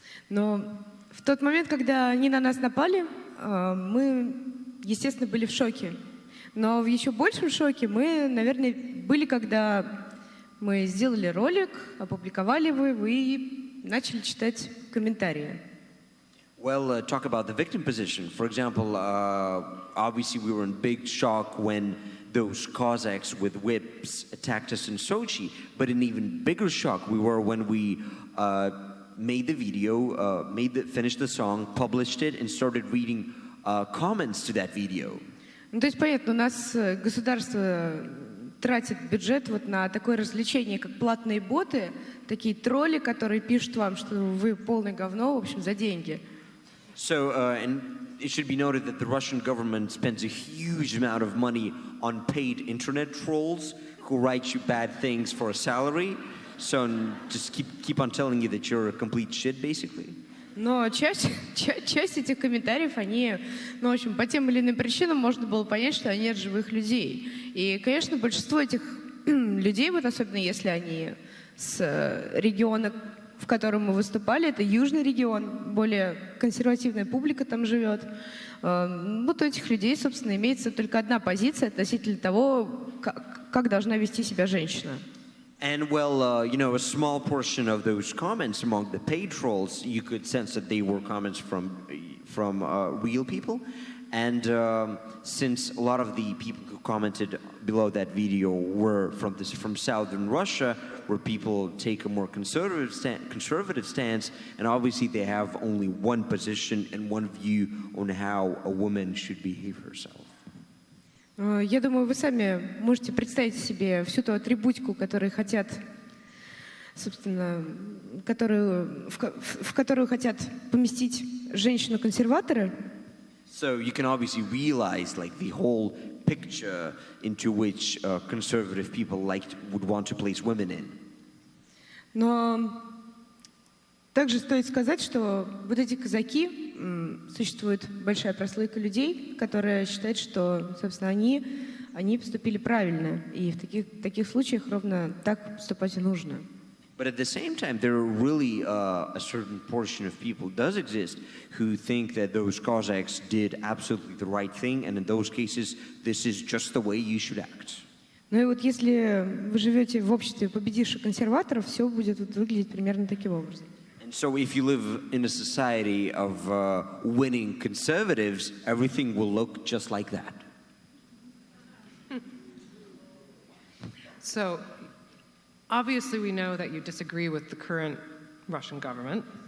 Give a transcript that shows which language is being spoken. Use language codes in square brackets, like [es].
[ru] Но в тот момент, когда они на нас напали, мы, естественно, были в шоке. Но в еще большем шоке мы, наверное, были, когда мы сделали ролик, опубликовали его и начали читать комментарии. [en] Well, talk about the victim position. For example, obviously we were in big shock when those Cossacks with whips attacked us in Sochi. But an even bigger shock we were when we made the video, finished the song, published it, and started reading comments to that video. [ru] Ну, то есть понятно, у нас государство тратит бюджет вот на такое развлечение, как платные боты, такие тролли, которые пишут вам, что вы полное говно, в общем, за деньги. [en] So, and it should be noted that the Russian government spends a huge amount of money on paid internet trolls who write you bad things for a salary. So, just keep on telling you that you're a complete shit, basically. [ru] Но часть этих комментариев, они, ну, в общем, по тем или иным причинам можно было понять, что они от живых людей. И, конечно, большинство этих людей, вот особенно если они с региона, в котором мы выступали, это южный регион, более консервативная публика там живет. Вот у этих людей, собственно, имеется только одна позиция относительно того, как должна вести себя женщина. [en] And well, you know, a small portion of those comments among the paid trolls, you could sense that they were comments from real people. And since a lot of the people who commented below that video were from southern Russia, where people take a more conservative stance, and obviously they have only one position and one view on how a woman should behave herself. [ru] Я думаю, вы сами можете представить себе всю ту атрибутику, которую хотят, собственно, которую хотят поместить женщину-консерватора. [en] So you can obviously realize like the whole picture into which conservative people liked would want to place women in. [ru] Но также стоит сказать, что вот эти казаки, существует большая прослойка людей, которые считают, что, собственно, они поступили правильно. И в таких случаях ровно так поступать и нужно. [en] But at the same time, there are really a certain portion of people does exist who think that those Cossacks did absolutely the right thing, and in those cases, this is just the way you should act. [ru] Ну и вот если вы живете в обществе победивших консерваторов, все будет вот выглядеть примерно таким образом. [en] So if you live in a society of winning conservatives, everything will look just like that. So obviously we know that you disagree with the current Russian government.